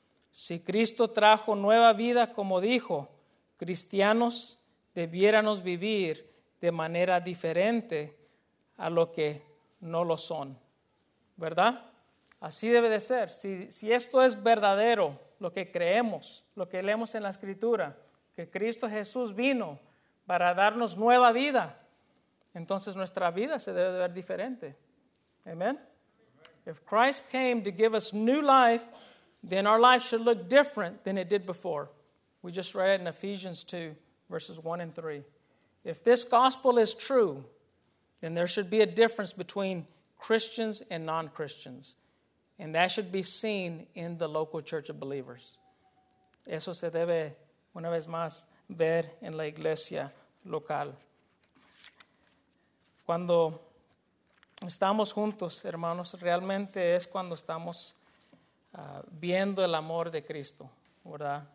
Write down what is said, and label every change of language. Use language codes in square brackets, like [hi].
[es] Si Cristo trajo nueva vida, como dijo, cristianos debiéramos vivir de manera diferente a lo que no lo son. ¿verdad? Así debe de ser. Si esto es verdadero, lo que creemos, lo que leemos en la Escritura, que Cristo Jesús vino para darnos nueva vida, entonces nuestra vida se debe de ver diferente. Amen. [en] If Christ came to give us new life, then our life should look different than it did before. We just read it in Ephesians 2, verses 1 and 3. If this gospel is true, then there should be a difference between Christians and non-Christians. And that should be seen in the local church of believers. [es] Eso se debe, una vez más, ver en la iglesia local. Cuando estamos juntos, hermanos, realmente es cuando estamos viendo el amor de Cristo, ¿verdad?